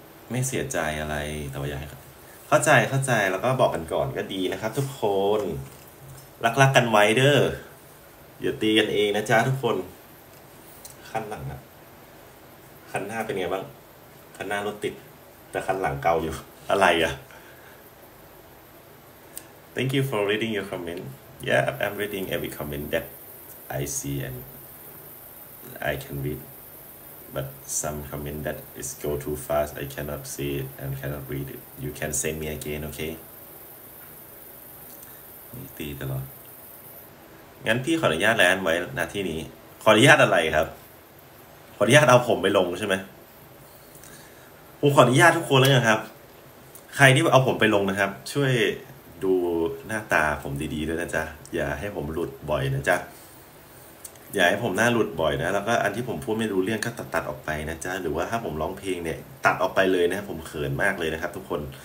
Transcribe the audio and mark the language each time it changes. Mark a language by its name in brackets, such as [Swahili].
[Thai] ไม่เสียใจอะไรแต่ว่าอยากให้เข้าใจแล้วก็บอกกันก่อนก็ดีนะครับทุกคนรักๆกันไว้เด้ออย่าตีกันเองนะจ๊ะทุกคนคันหลังอ่ะคันหน้าเป็นไงบ้างคันหน้ารถติดแต่คันหลังเกาอยู่อะไรอ่ะ [English] Thank you for reading your comment Yeah I'm reading every comment that I see and I can read but some comment that is go too fast. I cannot see it and cannot read it. You can send me again, okay? [Thai] นี่ตีตลอดงั้นพี่ขออนุญาตแลนไว้ณที่นี้ขออนุญาตอะไรครับขออนุญาตเอาผมไปลงใช่ไหมผมขออนุญาตทุกคนแล้วกันครับใครที่เอาผมไปลงนะครับช่วยดูหน้าตาผมดีๆด้วยนะจ๊ะอย่าให้ผมหลุดบ่อยนะจ๊ะอย่าให้ผมหน้าหลุดบ่อยนะแล้วก็อันที่ผมพูดไม่รู้เรื่องก็ตัดๆออกไปนะจ๊ะหรือว่าถ้าผมร้องเพลงเนี่ยตัดออกไปเลยนะผมเขินมากเลยนะครับทุกคน